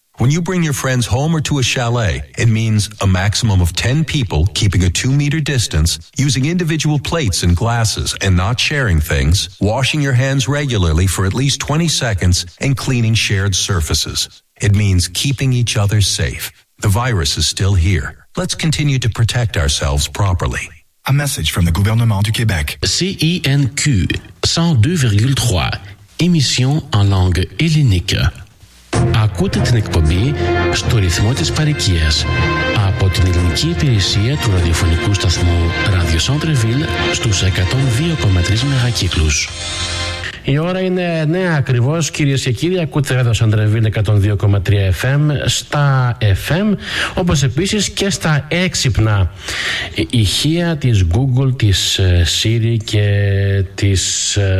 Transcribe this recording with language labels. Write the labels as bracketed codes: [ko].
[en] When you bring your friends home or to a chalet, it means a maximum of 10 people keeping a 2-meter distance, using individual plates and glasses and not sharing things, washing your hands regularly for at least 20 seconds, and cleaning shared surfaces. It means keeping each other safe. The virus is still here. Let's continue to protect ourselves properly. A message from the gouvernement du Québec. [fr] CINQ 102,3. Émission en langue hellénique. [el] Ακούτε την εκπομπή στο ρυθμό της παροικίας από την ελληνική υπηρεσία του ραδιοφωνικού σταθμού Radio Centreville στους 102,3 μεγακύκλους. Η ώρα είναι 9 ακριβώς, κυρίες και κύριοι. Ακούτε εδώ στο Σαντρεβίλ 102,3 FM, στα FM, όπως επίσης και στα έξυπνα ηχεία της Google, της Siri και της...